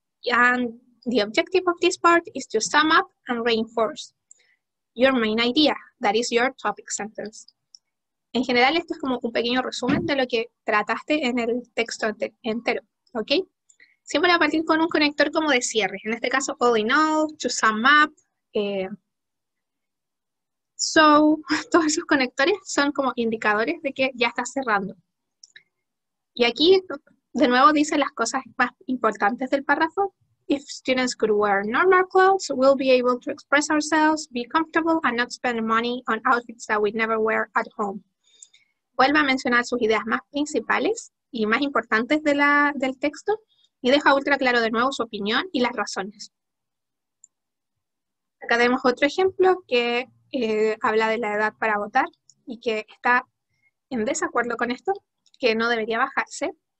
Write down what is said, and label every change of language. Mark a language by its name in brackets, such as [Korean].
[English] And the objective of this part is to sum up and reinforce your main idea, that is your topic sentence. [Spanish] En general, esto es como un pequeño resumen de lo que trataste en el texto entero, ¿ok? Siempre a partir con un conector como de cierre, en este caso, [English] all in all, to sum up, [Spanish] so, todos esos conectores son como indicadores de que ya estás cerrando. Y aquí, de nuevo, dice las cosas más importantes del párrafo. [English] If students could wear normal clothes, we'll be able to express ourselves, be comfortable, and not spend money on outfits that we'd never wear at home. [Spanish] Vuelvo a mencionar sus ideas más principales y más importantes del texto y deja ultra claro de nuevo su opinión y las razones. Acá tenemos otro ejemplo que habla de la edad para votar y que está en desacuerdo con esto, que no debería bajarse.